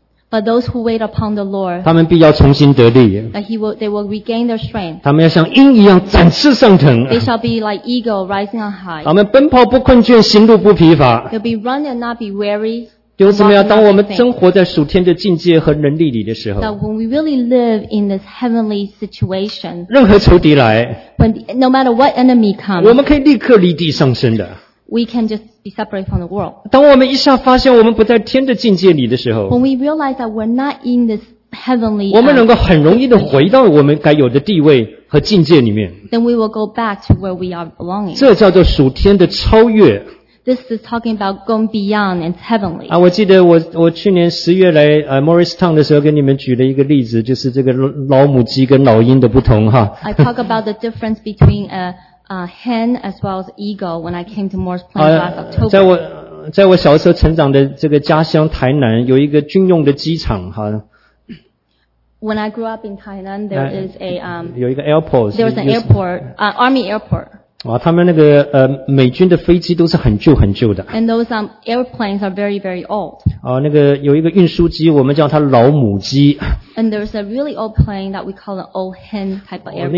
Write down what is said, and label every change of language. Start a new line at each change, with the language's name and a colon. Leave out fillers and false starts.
English: But those who wait upon the Lord,
Chinese: 他们必要重新得力。
English: That they will regain their strength.
Chinese: 他们要像鹰一样展翅上腾。
English: They shall be like eagle rising on high.
Chinese: 他们奔跑不困倦，行路不疲乏。
English: They'll be run and not be weary.
Chinese: 就是怎么样？当我们生活在属天的境界和能力里的时候。
English: That when we really live in this heavenly situation.
Chinese: 任何仇敌来。
English: When no matter what enemy comes.
Chinese: 我们可以立刻离地上升的。
English: We can just be separated from the world.
Chinese: 当我们一下发现我们不在天的境界里的时候
English: ，When we realize that we're not in this heavenly,
Chinese: 我们能够很容易的回到我们该有的地位和境界里面。
English: Then we will go back to where we are belonging.
Chinese: 这叫做属天的超越。
English: This is talking about going beyond and heavenly.
Chinese: 我记得我去年十月来Morristown 的时候，跟你们举了一个例子，就是这个老母鸡跟老鹰的不同哈。
English: I talk about the difference between hen as well as eagle when I came to Morris Plains last October.
Chinese: 在我小时候成长的这个家乡台南有一个军用的机场哈。
English: When I grew up in Tainan, there is a,
Chinese: 有一个 airport.
English: There was an airport, army airport.
Chinese: 他们那个美军的飞机都是很旧很旧的。
English: And those, airplanes are very, very old.
Chinese: 那个有一个运输机我们叫它老母机。
English: And there's a really old plane that we call an old hen type of airplane.